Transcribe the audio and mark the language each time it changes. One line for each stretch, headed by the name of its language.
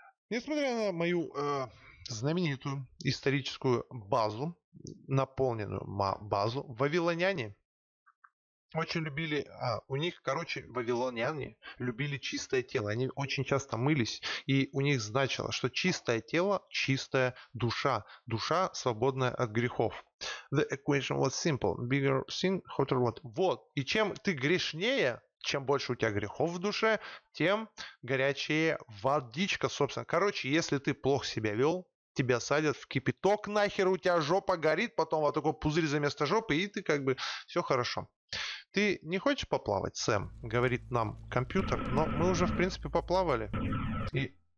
Russian: Несмотря на мою знаменитую историческую базу, наполненную базу, вавилоняне очень любили, вавилоняне любили чистое тело. Они очень часто мылись, и у них значило, что чистое тело – чистая душа. Душа, свободная от грехов.
English: The equation was simple. Bigger sin, hotter water.
Russian: Вот. И чем ты грешнее, чем больше у тебя грехов в душе, тем горячее водичка, собственно. Короче, если ты плохо себя вел, тебя садят в кипяток, нахер у тебя жопа горит, потом вот такой пузырь за место жопы, и ты как бы все хорошо. Ты не хочешь поплавать, Сэм? Говорит нам компьютер, но мы уже, в принципе, поплавали. И...